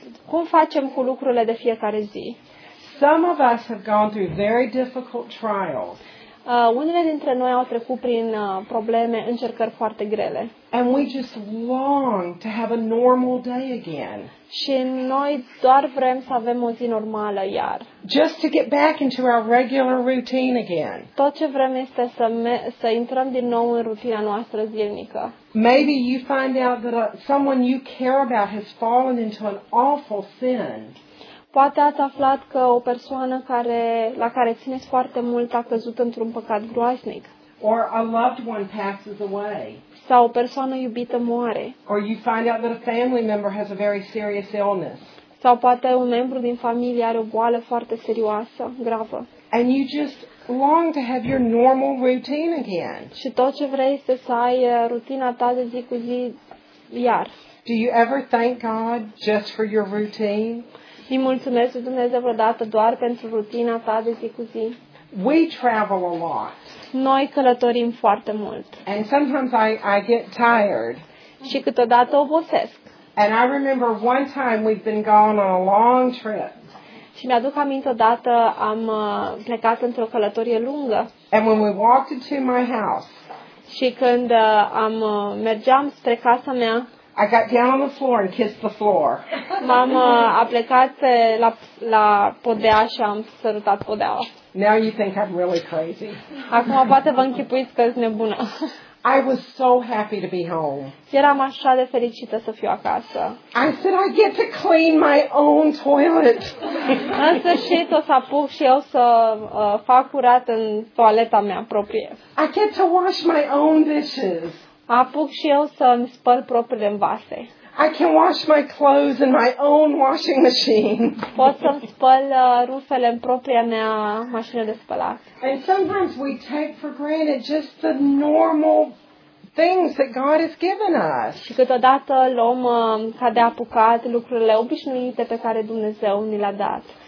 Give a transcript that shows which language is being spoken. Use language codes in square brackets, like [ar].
[ro] Cum facem cu lucrurile de fiecare zi? [en] Some of us have gone through very difficult trials. [ro] Unele dintre noi au trecut prin probleme, încercări foarte grele. [en] And we just long to have a normal day again. [ro] Și noi doar vrem să avem o zi normală iar. [en] Just to get back into our regular routine again. [ro] Tot ce vrem este să intrăm din nou în rutina noastră zilnică. [en] Maybe you find out that someone you care about has fallen into an awful sin. [ro] Poate ați aflat că o persoană care, la care țineți foarte mult a căzut într-un păcat groaznic. [en] Or a loved one passes away. [ro] Sau o persoană iubită moare. [en] Or you find out that a family member has a very serious illness. [ro] Sau poate un membru din familie are o boală foarte serioasă, gravă. [en] And you just long to have your normal routine again. [ro] Și tot ce vrei este să ai rutina ta de zi cu zi iar. [en] Do you ever thank God just for your routine? [ro] Îi mulțumesc Dumnezeu vreodată doar pentru rutina ta de zi cu zi. [en] We travel a lot. [ro] Noi călătorim foarte mult. [en] And sometimes I get tired. [ro] Și câteodată obosesc. [en] And I remember one time we've been gone on a long trip. [ro] Și mi-aduc aminte odată am plecat într-o călătorie lungă. [en] And when we walked into my house. [ro] Și când am mergeam spre casa mea. [en] I got down on the floor and kissed the floor. [ro] Mama a plecat la podea și am sărutat podeaua. [en] Now you think I'm really crazy. [ro] Acum poate vă închipuiți că sunt nebună. [en] I was so happy to be home. [ro] Eram așa de fericită să fiu acasă. [en] I said I get to clean my own toilet. [ro] În sfârșit o să apuc și eu să fac curat în toaleta mea proprie. [en] I get to wash my own dishes. [ro] Apuc și eu să îmi spăl propriile vase. [en] I can wash my clothes in my own washing machine. [ro] Pot să îmi spăl rufele în propria mea mașină de spălat. [en] And sometimes we take for granted just the normal things that God has given us. [ro] Și câteodată luăm ca de apucat lucrurile obișnuite pe care Dumnezeu ni le-a dat.